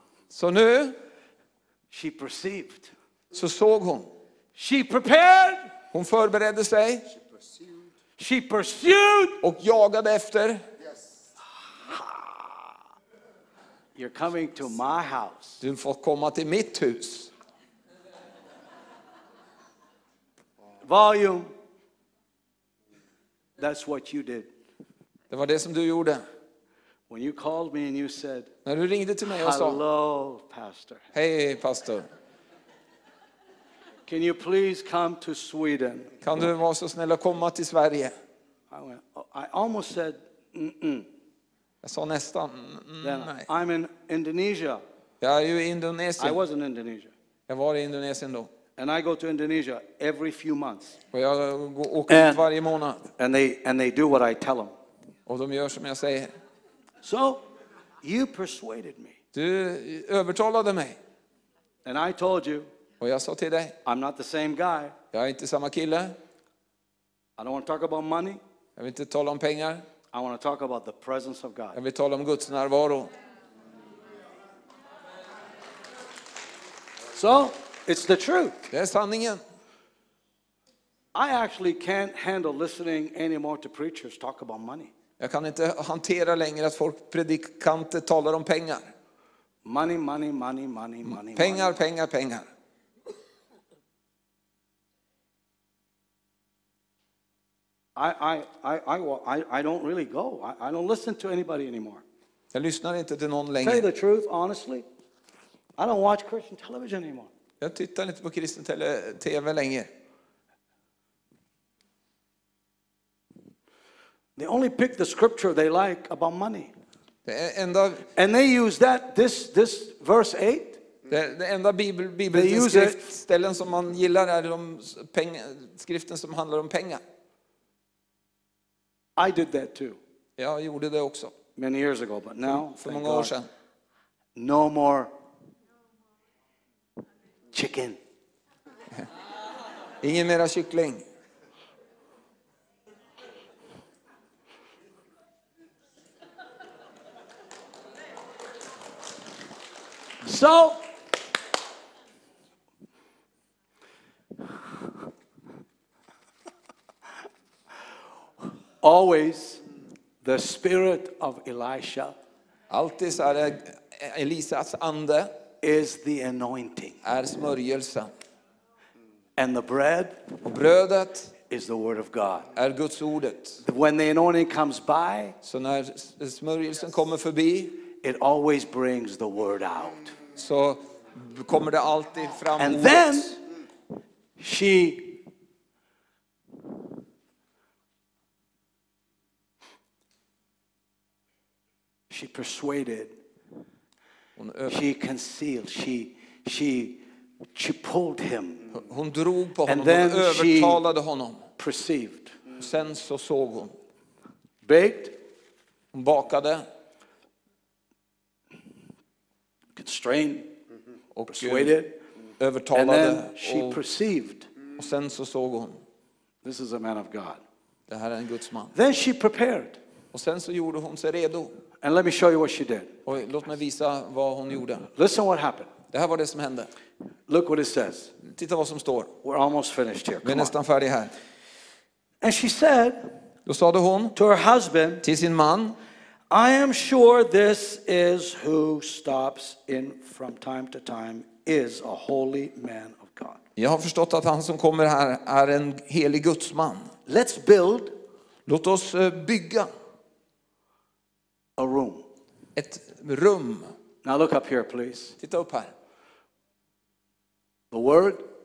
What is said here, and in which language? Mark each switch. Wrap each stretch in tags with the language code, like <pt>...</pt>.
<sv>så nu,</sv> <en>she perceived.</en> <sv>Så såg hon.</sv> <en>She prepared.</en> <sv>Hon förberedde sig.</sv> <en>She pursued.</en> <sv>Och jagade efter.</sv> <en>Yes. You're coming to my house.</en> <sv>Du får komma till mitt hus.</sv> <en>Volume. That's what you did.</en> <sv>Det var det som du gjorde.</sv> <en>When you called me and you said,</en> <sv>när du ringde till mig och sa,</sv> <en>hello, pastor. Hey, pastor. Can you please come to Sweden?</en> <sv>Kan du vara så snäll och komma till Sverige?</sv> <en>I almost said, mm-mm.</en> <sv>Jag sa nästan,</sv> <en>I'm in Indonesia.</en> <sv>Jag är ju i Indonesien.</sv> <en>I was in Indonesia.</en> <sv>Jag var i Indonesien då.</sv> <en>And I go to Indonesia every few months.</en> <sv>Och jag åker ut varje månad.</sv> <en>And they do what I tell them.</en> <sv>Och de gör som jag säger.</sv> <en>So you persuaded me.</en> <sv>Du övertalade mig.</sv> <en>And I told you.</en> <sv>Och jag sa till dig.</sv> <en>I'm not the same guy.</en> <sv>Jag är inte samma kille.</sv> <en>I don't want to talk about money.</en> <sv>Jag vill inte tala om pengar.</sv> <en>I want to talk about the presence of God.</en> <sv>Jag vill tala om Guds närvaro.</sv> <en>So it's the truth.</en> <sv>Det är sanningen.</sv> <en>I actually can't handle listening anymore to preachers talk about money.</en> <sv>Jag kan inte hantera längre att folk predikanter talar om pengar.</sv> <en>Money, money, money, money, money.</en> <sv>Pengar, pengar, pengar.</sv> <en>I don't really go. I don't listen to anybody anymore.</en> <sv>Jag lyssnar inte till någon längre.</sv> <en>Tell you the truth, honestly, I don't watch Christian television anymore.</en> <sv>Jag tittar inte på kristen TV längre.</sv> <en>They only pick the scripture they like about money. And they use that this verse 8.</en> <sv>Det enda bibelställen som man gillar är de skriften som handlar om pengar.</sv> <en>I did that too.</en> <sv>Jag gjorde det också.</sv> <en>Many years ago, but now</en> <sv>för många år sedan.</sv> <en>No more chicken.</en> <sv>Ingen mera kyckling.</sv> <en>So, always the spirit of Elisha.</en> <sv>Alltid är Elisas ande</sv> <en>is the anointing.</en> <sv>Är smörjelsen.</sv> <en>And the bread.</en> <sv>Och brödet</sv> <en>is the word of God.</en> <sv>Är Guds ordet.</sv> <en>When the anointing comes by,</en> <sv>så när smörjelsen kommer förbi,</sv> <en>it always brings the word out.</en> <sv>Så kommer det alltid fram.</sv> <en>And then she persuaded, she concealed, she she pulled him.</en> <sv>Hon drog på honom, hon övertalade honom.</sv> <en>Perceived.</en> <sv>Sen så såg hon.</sv> <en>Baked.</en> <sv>Hon bakade.</sv> <en>Constrained. Och persuaded.</en> <sv>Övertalade.</sv> <en>And then she perceived.</en> <sv>Och sen så såg hon.</sv> <en>This is a man of God.</en> <sv>Det här är en Guds man.</sv> <en>Then she prepared.</en> <sv>Och sen så gjorde hon sig redo.</sv> <en>And let me show you what she did.</en> <sv>Och låt mig visa vad hon gjorde.</sv> <en>Listen what happened.</en> <sv>Det här var det som hände.</sv> <en>Look what it says.</en> <sv>Titta vad som står.</sv> <en>We're almost finished here.</en> <sv>Vi är nästan färdiga här.</sv> <en>And she said,</en> <sv>då sade hon</sv> <en>to her husband,</en> <sv>till sin man,</sv> <en>I am sure this is who stops in from time to time is a holy man of God.</en> <sv>Jag har förstått att han som kommer här är en helig Guds man.</sv> <en>Let's build.</en> <sv>Låt oss bygga.</sv> <en>A room.</en> <sv>Ett rum.</sv> <en>Now look up here, please.</en> <sv>Titta upp här.</sv> <en>The word.</en>